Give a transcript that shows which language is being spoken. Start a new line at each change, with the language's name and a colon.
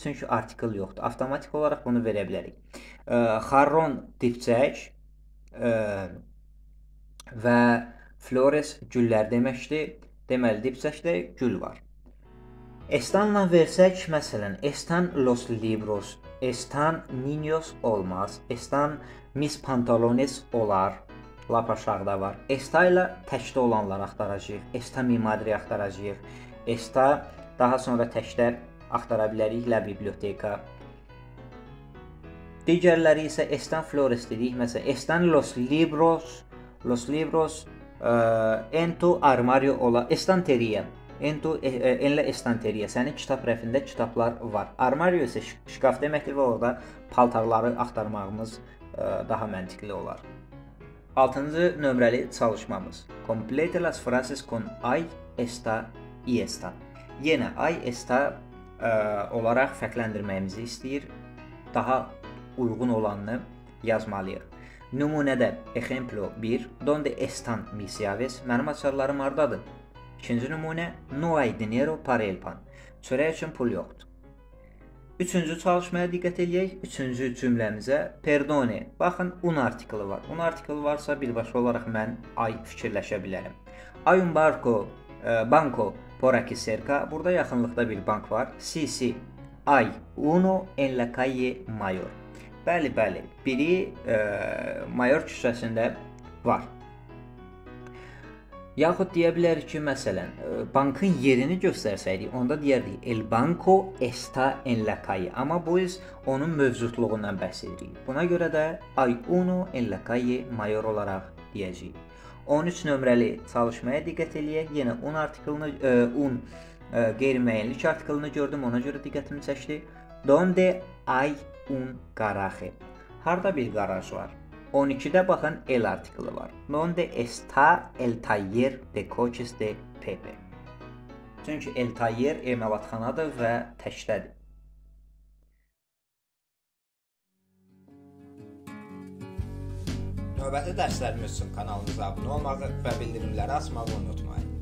Azerbaijani: Çünki artikl yoxdur. Avtomatik olaraq bunu verə bilərik. Jarrón dipçək və Flores güllər deməkdir. Deməli, dipçəkdə gül var. Estanla versək, məsələn,
Spanish: Están los libros. Están niños olmaz. Están mis pantalones olar.
Azerbaijani: Lap aşağıda var. Estayla təkdə olanları axtaracağıq.
Spanish: Esta mi madre
Azerbaijani: axtaracağıq. Esta daha sonra təkdə axtara bilərik.
Spanish: La biblioteca.
Azerbaijani: Digərləri isə
Spanish: Están Flores
Azerbaijani: dedik. Məsələn,
Spanish: Están los libros. Los libros. En tu armario ola estanteria. En tu en la estanteria.
Azerbaijani: Sənin kitab rəfində kitablar var. Armario isə şkaf deməkdir və orada paltarları axtarmağımız daha məntiqli olar. 6-cı nömrəli çalışmamız.
Spanish: Complete las frases con hay, está y están.
Azerbaijani: Yenə hay, está olaraq fərqləndirməyimizi istəyir. Daha uyğun olanını yazmalıyıq. Nümunədə
Spanish: ejemplo 1. Donde están mis llaves?
Azerbaijani: Mənim açarlarım hardadır? İkinci nümunə.
Spanish: No hay dinero para el pan.
Azerbaijani: Çörək üçün pul yoxdur. Üçüncü çalışmaya diqqət eləyək. Üçüncü cümləmizə.
Spanish: Perdone.
Azerbaijani: Baxın, un artikli var. Un artikli varsa birbaşa olaraq mən ay fikirləşə bilərəm.
Spanish: Hay un barco, banco por aquí cerca.
Azerbaijani: Burada yaxınlıqda bir bank var.
Spanish: Sí. Hay uno en la calle mayor.
Azerbaijani: Bəli. Biri Mayor küçəsində var. Yaxud deyə bilərik ki, məsələn, bankın yerini göstərsəydik, onda deyərdik
Spanish: El banco está en la calle.
Azerbaijani: Amma bu biz onun mövcudluğundan bəhs edirik. Buna görə də
Spanish: Hay uno en la calle mayor
Azerbaijani: olaraq deyəcəyik. 13 nömrəli çalışmaya diqqət eləyək. Yenə un artiklini, un qeyri-müəyyənlik artiklini gördüm. Ona görə diqqətimi çəkdi.
Spanish: Donde hay un garaje.
Azerbaijani: Harda bir garaj var? 12-də baxın, el artiklı var.
Spanish: Donde está el taller de coches de Pepe?
Azerbaijani: Çünki el taller emalatxanadır və təkdədir. Növbəti dərslərimiz üçün kanalımıza abunə olmağı və bildirimləri açmağı unutmayın.